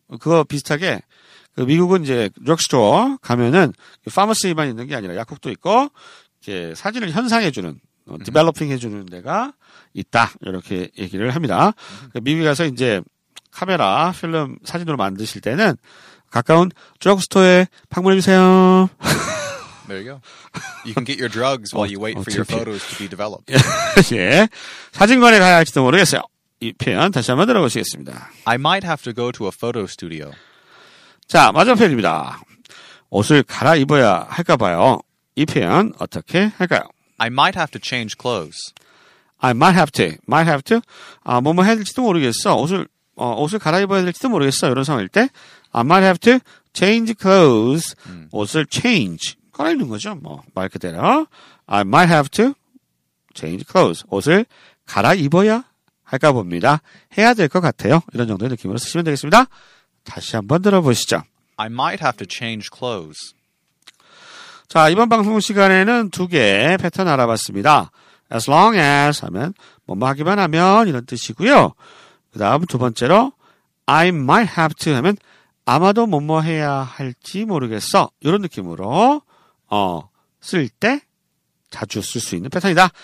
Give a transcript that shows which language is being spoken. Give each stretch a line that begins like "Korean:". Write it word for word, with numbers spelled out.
Korean: 그거 비슷하게 그 미국은 이제 드럭스토어 가면은 파머시만 있는 게 아니라 약국도 있고 이제 사진을 현상해주는, 어, 디벨로핑 해주는 데가 있다. 이렇게 얘기를 합니다. 그 미국에 가서 이제 카메라, 필름, 사진으로 만드실 때는 가까운 드럭스토어에 방문해주세요.
English: There you go. You can get your drugs while you wait for your photos to be developed.
Korean: 예. 사진관에 가야 할지도 모르겠어요. 이 표현 다시 한번 들어보시겠습니다.
English: I might have to go to a photo studio.
Korean: 자, 마지막 표현입니다. 옷을 갈아입어야 할까 봐요. 이 표현 어떻게 할까요?
English: I might have to change clothes. I might have to. might have to.
Korean: 아, 뭐뭐 해야 될지도 모르겠어. 옷을 어, 옷을 갈아입어야 될지도 모르겠어. 이런 상황일 때
English: I might have to change clothes.
Korean: 음. 옷을 change. 갈아입는 거죠. 뭐 말 그대로.
English: I might have to change clothes.
Korean: 옷을 갈아입어야 할까 봅니다. 해야 될 것 같아요. 이런 정도의 느낌으로 쓰시면 되겠습니다. 다시 한번 들어보시죠.
English: I might have to change clothes.
Korean: 자, 이번 방송 시간에는 두 개의 패턴 알아봤습니다.
English: as long as
Korean: 하면 뭐뭐 하기만 하면 이런 뜻이고요. 그 다음 두 번째로
English: I might have to
Korean: 하면 아마도 뭐뭐 해야 할지 모르겠어. 이런 느낌으로 어, 쓸 때 자주 쓸 수 있는 패턴이다.